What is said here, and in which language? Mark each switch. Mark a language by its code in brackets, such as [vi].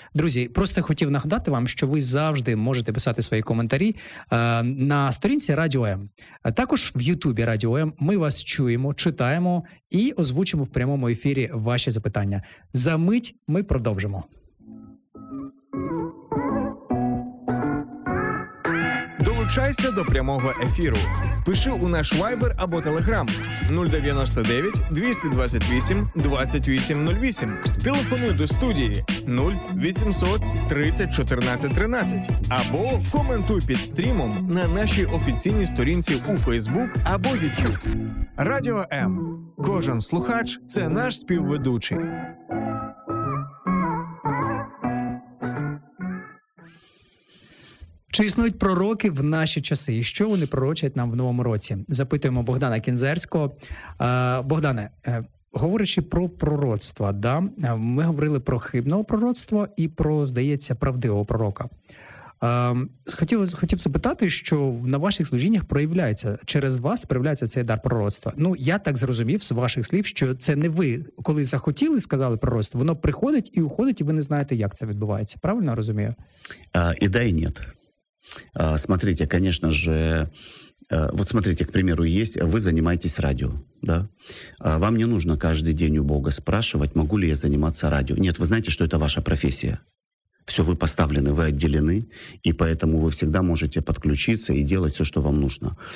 [uk] Друзі, просто хотів нагадати вам, що ви завжди можете писати свої коментарі на сторінці Радіо М. Також в Ютубі Радіо М ми вас чуємо, читаємо і озвучимо в прямому ефірі ваші запитання. За мить ми продовжимо. Долучайся до прямого ефіру. Пиши у наш Viber або Telegram 099-228-2808. Телефонуй до студії 0800-30-14-13 або коментуй під стрімом на нашій офіційній сторінці у Facebook або YouTube. Радіо М. Кожен слухач – це наш співведучий. Чи існують пророки в наші часи? І що вони пророчать нам в новому році? Запитуємо Богдана Кінзерського. Богдане, говорячи про пророцтва, да, ми говорили про хибного пророцтва і про, здається, правдивого пророка. Хотів запитати, що на ваших служіннях проявляється, через вас проявляється цей дар пророцтва. Ну, я так зрозумів з ваших слів, що це не ви, коли захотіли, сказали пророцтво, воно приходить і уходить, і ви не знаєте, як це відбувається. Правильно я розумію? Ідеї ні. [ru] Смотрите, конечно же, вот смотрите, к примеру, есть, вы занимаетесь радио, да? Вам не нужно каждый день у Бога спрашивать, могу ли я заниматься радио. Нет, вы знаете, что это ваша профессия. Все, вы поставлены, вы отделены, и поэтому вы всегда можете подключиться и делать все, что вам нужно.